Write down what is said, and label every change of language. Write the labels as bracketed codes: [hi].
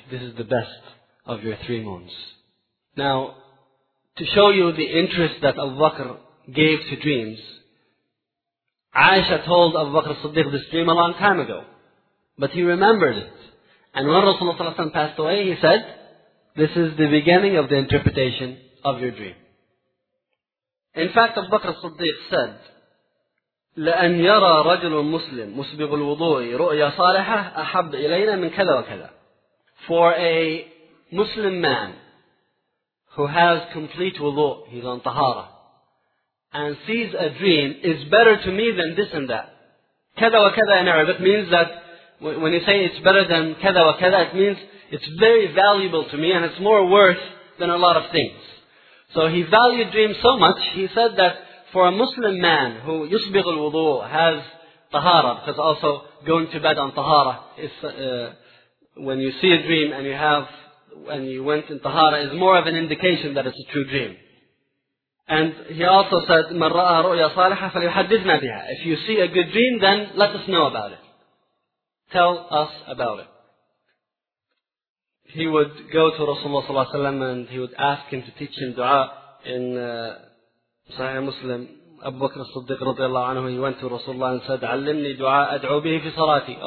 [en] This is the best of your three moons. Now, to show you the interest that Abu Bakr gave to dreams, Aisha told Abu Bakr as-Siddiq this dream a long time ago. But he remembered it. And when Rasulullah ﷺ passed away, he said, "This is the beginning of the interpretation of your dream." [ar] In fact, Abu Bakr as-Siddiq said, لَأَنْ يَرَى رَجْلٌ مُسْلِمٌ مُسْبِغُ الْوُضُوءِ رُؤْيَا صَالِحَةٌ أَحَبَّ إِلَيْنَا مِنْ كَذَا وَكَذَا. [en] For a Muslim man who has complete wudu, he's on tahara, and sees a dream, is better to me than this and that. [ar] كَذَا وَكَذَا [en] in Arabic means that, when you say it's better than كَذَا وَكَذَا, it means it's very valuable to me and it's more worth than a lot of things. So he valued dreams so much, he said that for a Muslim man who yusbigh al-wudu, has tahara, because also going to bed on tahara is when you see a dream and you have, and you went in tahara, is more of an indication that it's a true dream. [ar] And he also said, مَنْ رَأَى رُؤْيَا صَالِحَةً فَلْيُحَدِّثْنَا بِهَا. [en] If you see a good dream, then let us know about it. Tell us about it. He would go to Rasulullah ﷺ and he would ask him to teach him dua in Sahih Muslim. Abu Bakr as-Siddiq radiallahu anhu, he went to Rasulullah and said, [ar] "Allimni dua ad'u bihi fi salati."